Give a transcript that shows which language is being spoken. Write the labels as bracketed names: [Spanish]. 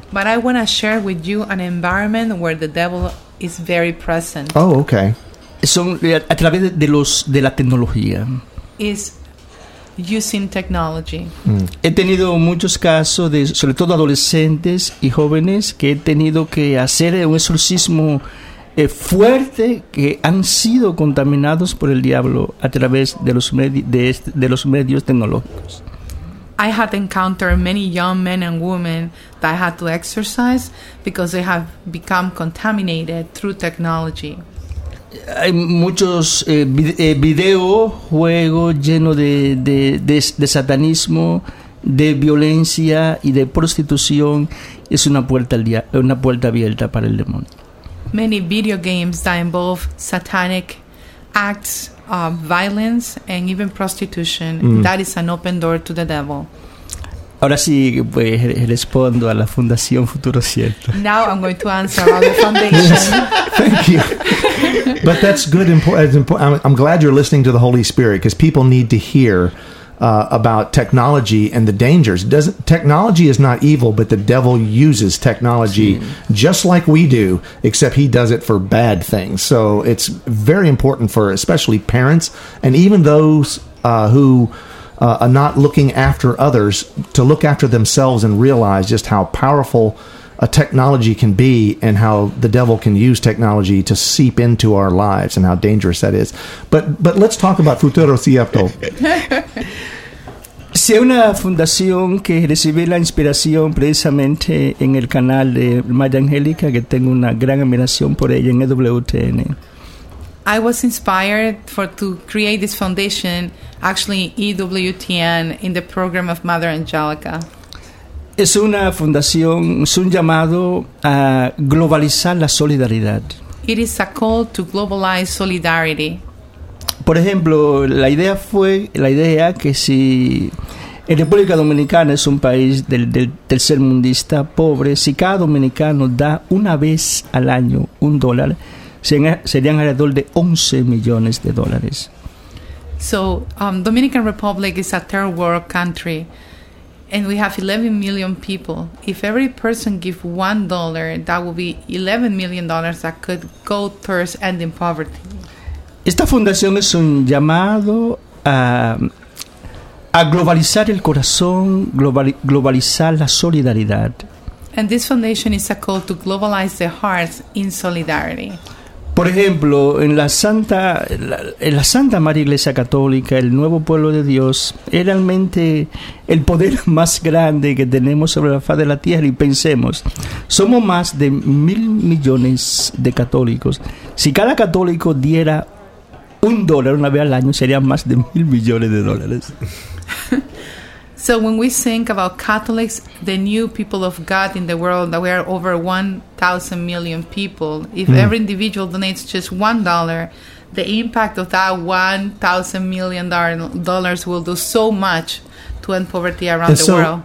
[English] But I want to share with you an environment where the devil is very present. Oh, okay. [Spanish] Son a través de los de la tecnología. [English] Is using technology. [Spanish] He tenido muchos casos de sobre todo adolescentes y jóvenes que he tenido que hacer un exorcismo fuerte que han sido contaminados por el diablo a través de los los medios tecnológicos. [English] I had encountered many young men and women that I had to exorcise because they have become contaminated through technology. [Spanish] Hay muchos videojuegos llenos de satanismo, de violencia y de prostitución. Es una puerta al una puerta abierta para el demonio. [English] Many video games that involve satanic acts of violence and even prostitution, that is an open door to the devil. [Spanish] Ahora sí, pues, respondo a la Fundación Futuro Cierto. [English] Now I'm going to answer about the foundation. Yes. Thank you. But that's good. I'm glad you're listening to the Holy Spirit because people need to hear about technology and the dangers. Technology is not evil, but the devil uses technology just like we do, except he does it for bad things. So it's very important for especially parents and even those who are not looking after others to look after themselves and realize just how powerful a technology can be and how the devil can use technology to seep into our lives and how dangerous that is. But let's talk about Futuro Cierto. [Spanish] Si una fundación que recibí la inspiración precisamente en el canal de María Angélica, que tengo una gran admiración por ella en EWTN. [English] I was inspired to create this foundation, actually EWTN, in the program of Mother Angelica. [Spanish] Es una fundación, es un llamado a globalizar la solidaridad. [English] It is a call to globalize solidarity. [Spanish] Por ejemplo, la idea que si en República Dominicana es un país del tercer mundista pobre, si cada dominicano da una vez al año un dólar, serían alrededor de 11 millones de dólares. [English] So, Dominican Republic is a third world country. And we have 11 million people. If every person give $1, that would be $11 million that could go towards ending poverty. [Spanish] Esta fundación es un llamado a globalizar el corazón, globalizar la solidaridad. [English] And this foundation is a call to globalize the hearts in solidarity. [Spanish] Por ejemplo, en la Santa María Iglesia Católica, el nuevo pueblo de Dios, es realmente el poder más grande que tenemos sobre la faz de la tierra. Y pensemos, somos más de 1,000,000,000 de católicos. Si cada católico diera $1 una vez al año, serían más de 1,000,000,000 de dólares. [English] So when we think about Catholics, the new people of God in the world, that we are over 1,000 million people, if every individual donates just $1, the impact of that $1,000 million will do so much to end poverty around the world.